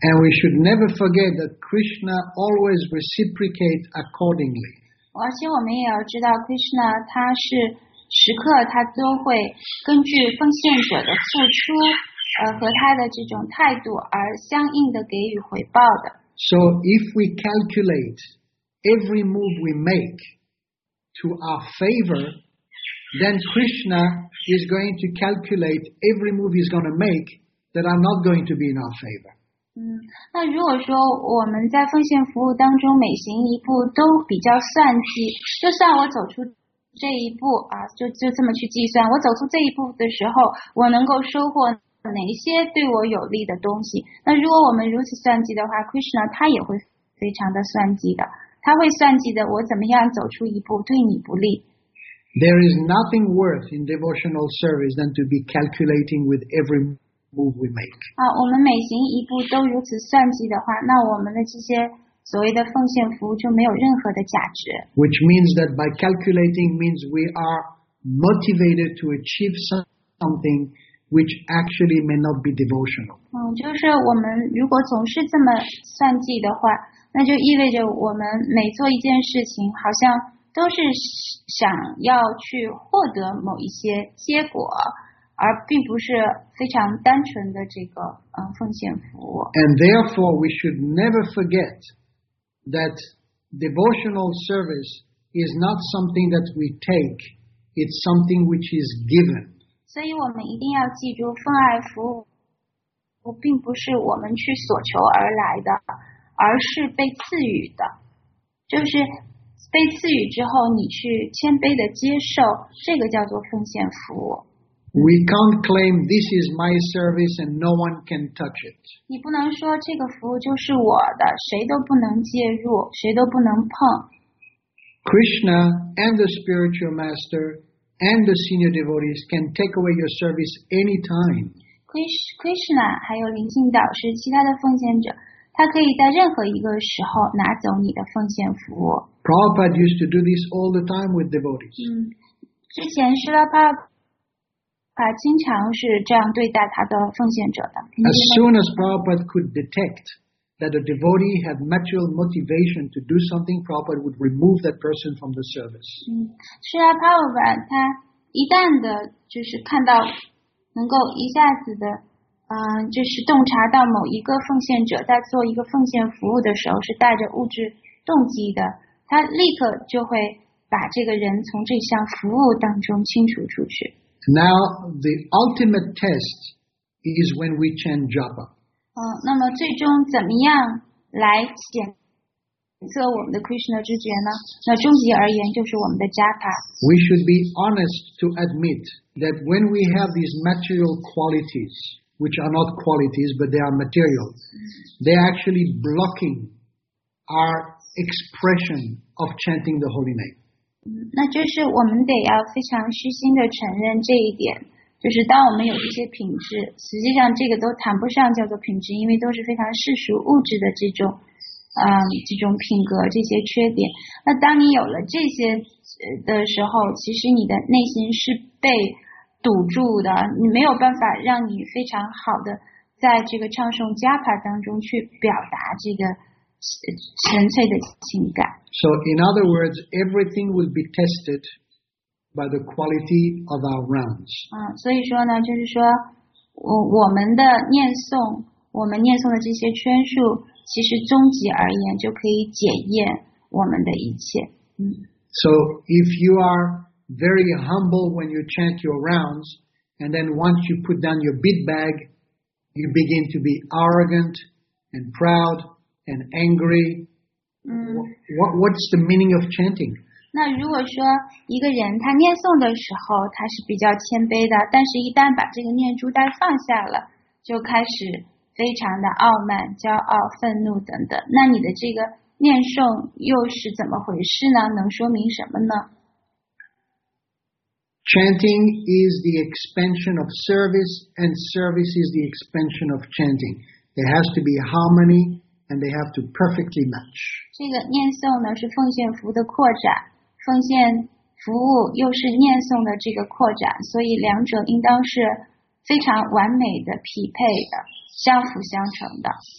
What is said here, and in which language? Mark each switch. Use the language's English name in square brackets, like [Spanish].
[English] And we should never forget that Krishna always reciprocates accordingly. [Chinese] 而且我们也要知道 Krishna 他是。时刻他都会根据奉献者的付出和他的这种态度而相应的给予回报的。 [English] So if we calculate every move we make to our favor, then Krishna is going to calculate every move he's going to make that are not going to be in our favor. [Chinese] 那如果说我们在奉献服务当中每行一步都比较算计，就算我走出这一步就这么去计算，我走出这一步的时候，我能够收获哪些对我有利的东西？那如果我们如此算计的话 ，Krishna 他也会非常的算计的，他会算计的，我怎么样走出一步对你不利。 [English] There is nothing worse in devotional service than to be calculating with every move we make. [Chinese] 我们每行一步都如此算计的话，那我们的这些。所谓的奉献服务就没有任何的价值。 [English] Which means that by calculating means we are motivated to achieve something which actually may not be devotional. [Chinese] 就是我们如果总是这么算计的话，那就意味着我们每做一件事情，好像都是想要去获得某一些结果，而并不是非常单纯的这个奉献服务。 [English] And therefore, we should never forget. That devotional service is not something that we take; it's something which is given. [Chinese] 所以我们一定要记住，奉爱服务并不是我们去所求而来的，而是被赐予的。就是被赐予之后，你去谦卑的接受，这个叫做奉献服务。 [English] We can't claim this is my service and no one can touch it. [Chinese] 你不能说这个服务就是我的，谁都不能介入，谁都不能碰。 [English] Krishna and the spiritual master and the senior devotees can take away your service anytime. [Chinese] Krishna 还有灵性导师，其他的奉献者，他可以在任何一个时候拿走你的奉献服务。 [English] Prabhupada used to do this all the time with devotees. [Chinese] 之前Srila Prabhupada 经常是这样对待他的奉献者的。 [English] As soon as Prabhupada could detect that a devotee had material motivation to do something, Prabhupada would remove that person from the service. [Chinese] 是啊 ，Prabhupada 他一旦的就是看到能够一下子的。就是洞察到某一个奉献者在做一个奉献服务的时候是带着物质动机的，他立刻就会把这个人从这项服务当中清除出去。 [English] Now the ultimate test is when we chant japa. [Chinese] 那么最终怎么样来检测我们的 Krishna 知觉呢？那终极而言就是我们的 japa。 [English] We should be honest to admit that when we have these material qualities. Which are not qualities, but they are material. They are actually blocking our expression of chanting the holy name. [Chinese] 那就是我们得要非常虚心的承认这一点，就是当我们有这些品质，实际上这个都谈不上叫做品质，因为都是非常世俗物质的这种，这种品格这些缺点。那当你有了这些的时候，其实你的内心是被。堵住的，你没有办法让你非常好的在这个唱诵加法当中去表达这个纯粹的情感。 [English] So in other words, everything will be tested by the quality of our rounds. [Chinese] 所以说呢，就是说我们的念诵，我们念诵的这些圈数，其实终极而言就可以检验我们的一切。 [English] So if you are very humble when you chant your rounds, and then once you put down your bead bag, you begin to be arrogant and proud and angry. What's the meaning of chanting? [Chinese] 那如果说一个人他念诵的时候他是比较谦卑的，但是一旦把这个念珠带放下了，就开始非常的傲慢、骄傲、愤怒等等。那你的这个念诵又是怎么回事呢？能说明什么呢？ [English] Chanting is the expansion of service, and service is the expansion of chanting. There has to be harmony, and they have to perfectly match. [Chinese] 这个念诵呢是奉献服务的扩展，奉献服务又是念诵的这个扩展，所以两者应当是非常完美的匹配的，相辅相成的。